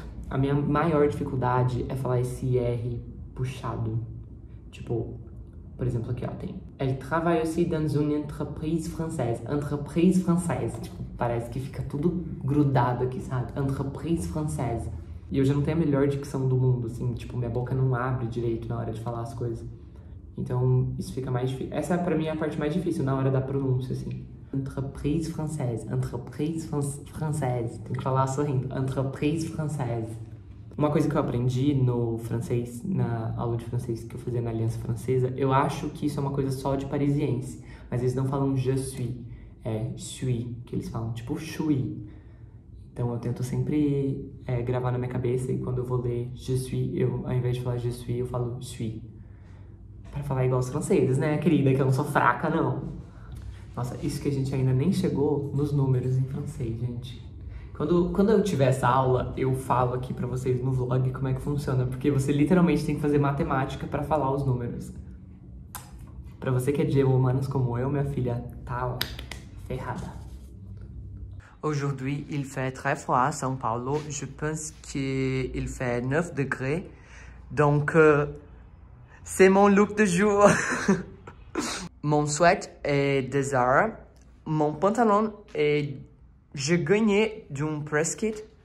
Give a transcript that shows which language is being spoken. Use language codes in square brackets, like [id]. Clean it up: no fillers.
[pt] A minha maior dificuldade é falar esse R puxado. Tipo, por exemplo, aqui ó, tem [fr] Elle travaille aussi dans une entreprise française. Entreprise française. [pt] Tipo, parece que fica tudo grudado aqui, sabe? [fr] Entreprise française. [pt] E eu já não tenho a melhor dicção do mundo, assim. Tipo, minha boca não abre direito na hora de falar as coisas. Então, isso fica mais difícil. Essa, pra mim, é a parte mais difícil na hora da pronúncia, assim. [fr] Entreprise française, entreprise française. [pt] Tem que falar sorrindo, [fr] entreprise française. [pt] Uma coisa que eu aprendi no francês, na aula de francês que eu fazia na Aliança Francesa, eu acho que isso é uma coisa só de parisiense, mas eles não falam je suis, é suis, que eles falam tipo chui. Então eu tento sempre gravar na minha cabeça e quando eu vou ler je suis, eu, ao invés de falar je suis, eu falo suis. Pra falar igual os franceses, né, querida, que eu não sou fraca, não. Nossa, isso que a gente ainda nem chegou nos números em francês, gente. Quando eu tiver essa aula, eu falo aqui pra vocês no vlog como é que funciona. Porque você literalmente tem que fazer matemática pra falar os números. Pra você que é de humanos como eu, minha filha, tá ó, ferrada. [fr] Aujourd'hui, il fait très froid à São Paulo. Je pense qu'il fait 9 degrés. Donc, c'est mon look de jour. Mon sweat est de Zara. Mon pantalon est... J'ai gagné d'un press kit.